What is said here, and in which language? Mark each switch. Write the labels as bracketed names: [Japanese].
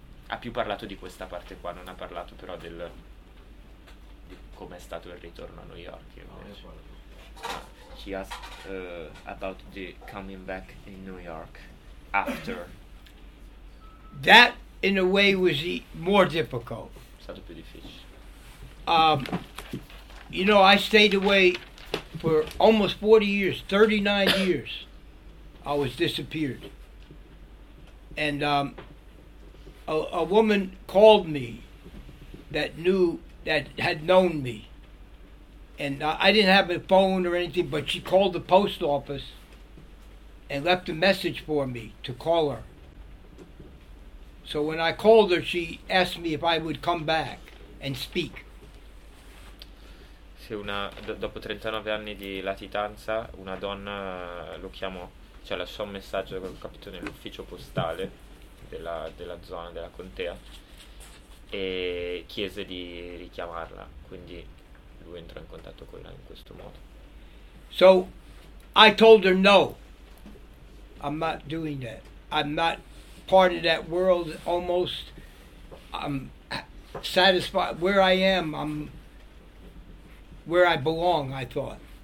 [Italian] Ha più parlato di questa parte qua, non ha parlato però del di come è stato il ritorno a New York invece. [English] He asked about the coming back in New York after. That in a way was more difficult. [Italian] È stato più difficile. [English] You know, I stayed away for almost 40 years, 39 years. I was disappeared. And a woman called me that knew, that had known me. And I didn't have a phone or anything, but she called the post office and left a message for me to call her. So when I called her, she asked me if I would come back and speak. [Italian] Una, dopo 39 anni di latitanza, una donna lo chiamò, cioè lasciò un messaggio che ho capito nell'ufficio postale della, della zona, della contea, e chiese di richiamarla, quindi lui entrò in contatto con lei in questo modo. [English] So I told her no, I'm not doing that, I'm not part of that world, almost I'm satisfied where I am, I'm where I belong, I thought.